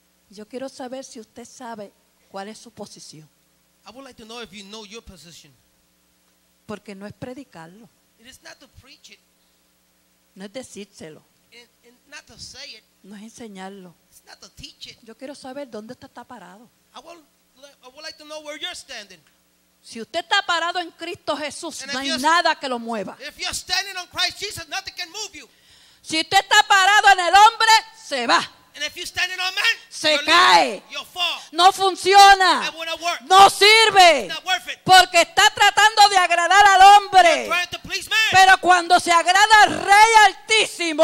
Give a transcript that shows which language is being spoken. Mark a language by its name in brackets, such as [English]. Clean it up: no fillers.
[Spanish] Yo quiero saber si usted sabe cuál es su posición. [English] I would like to know if you know your position. [Spanish] Porque no es predicarlo. [English] It is not to preach it. [Spanish] No es decírselo. [English] It's not to say it. [Spanish] No es enseñarlo. [English] It's not to teach it. [Spanish] Yo quiero saber dónde usted está parado. [English] I would like to know where you're standing. [Spanish] Si usted está parado en Cristo Jesús, no hay nada que lo mueva. [English] If you're standing on Christ Jesus, nothing can move you. [Spanish] Si usted está parado en el hombre, se va. [English] And if you're standing on man, [Spanish] se cae. [English] You'll fall. [Spanish] No funciona. [English] It won't work. [Spanish] No sirve. [English] It's not worth it. [Spanish] Porque está tratando de agradar al hombre. [English] You're trying to please man. [Spanish] Pero cuando se agrada al Rey Altísimo,